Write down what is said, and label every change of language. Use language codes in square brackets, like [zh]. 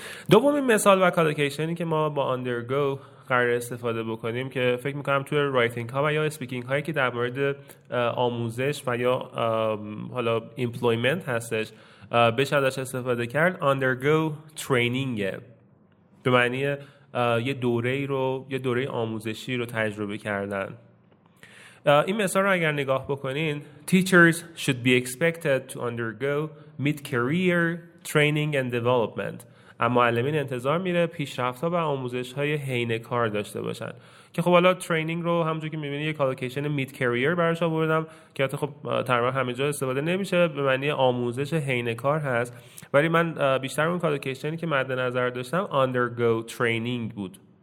[fa] دومین مثال و کالوکیشنی که ما با undergo قرار استفاده بکنیم که فکر میکنم توی رایتینگ ها و یا اسپیکینگ هایی که در مورد آموزش و یا حالا ایمپلویمنت هستش بشه ازش استفاده کرد، undergo ترینینگه. به معنی یه دوره ای رو، یه دوره آموزشی رو تجربه کردن. این مثال رو اگر نگاه بکنین، [en] teachers should be expected to undergo mid-career training and development. [fa] اما معلمین انتظار میره پیشرفت‌ها و آموزش‌های حین کار داشته باشن. که خب حالا ترینینگ رو همونجوری که می‌بینید یک کالوکیشن مید کریر براش آوردم که البته خب تقریبا همه جا استفاده نمیشه، به معنی آموزش حین کار هست، ولی من بیشتر اون کالوکیشنی که مد نظر داشتم undergo ترینینگ بود.